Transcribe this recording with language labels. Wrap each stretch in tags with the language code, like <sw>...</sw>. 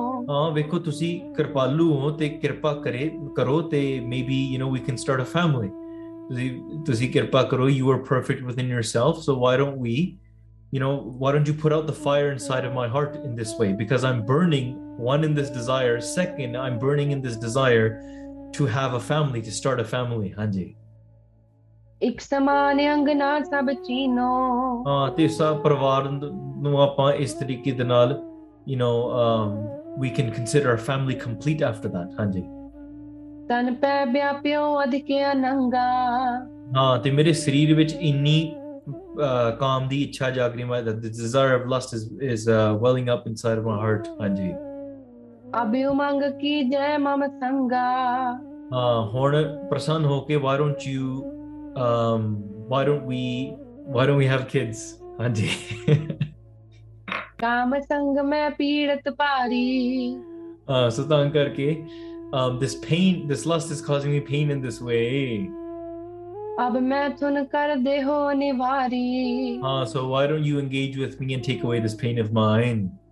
<pa>ਹਾਂ, ਵੇਖੋ ਤੁਸੀਂ ਕਿਰਪਾਲੂ ਹੋ ਤੇ ਕਿਰਪਾ ਕਰੋ ਤੇ</pa> <en>maybe you know we can start a family.</en> <pa>ਤੁਸੀਂ ਕਿਰਪਾ ਕਰੋ,</pa> <en>you are perfect within yourself, so why don't we You know, why don't you put out the fire inside of my heart in this way? Because I'm burning, one, in this desire. Second, I'm burning in this desire to have a family, to start a family.</en> <pa>Hanji. ਇਕ ਸਮਾਨ ਅੰਗਨਾ ਸਭ ਚੀਨੋ ਹਾਂ, ਤੇ ਸਭ ਪਰਿਵਾਰ ਨੂੰ ਆਪਾਂ ਇਸ ਤਰੀਕੇ ਦੇ ਨਾਲ</pa> <en>we can consider our family complete after that, Hanji.</en> <pa>ਤਨ ਪੈ ਬਿਆ ਪਿਓ ਅਧਕਿਆ ਨੰਗਾ ਹਾਂ ਤੇ ਮੇਰੇ ਸਰੀਰ ਵਿੱਚ ਇੰਨੀ ਕਾਮ ਦੀ ਇੱਛਾ ਜਾਗਰੀ ਮੈਂ</pa> <en>that the desire of lust is welling up inside of my heart ਹਾਂਜੀ</en> <pa>ਅਭਿਉ ਮੰਗ ਕੀ ਜੈ ਮਮ ਸੰਗਾ</pa> <en>ਹਾਂ</en> <pa>ਹੁਣ ਪ੍ਰਸੰਨ ਹੋ K</pa> <en>why don't you why don't we have kids ਹਾਂਜੀ</en> <pa>ਕਾਮ ਸੰਗ ਮੈਂ ਪੀੜਤ ਭਾਰੀ ਹਾਂ ਸੋ ਤਾਂ ਕਰਕੇ</pa> <en>this pain, this lust is causing me pain in this way.</en> <pa>ਅਬ ਮੈਂ ਤੁਨ ਕਰ ਦੇਹੋ ਨਿਵਾਰੀ</pa> <en>ਹਾਂ so why don't you engage with me and take away this pain of mine</en>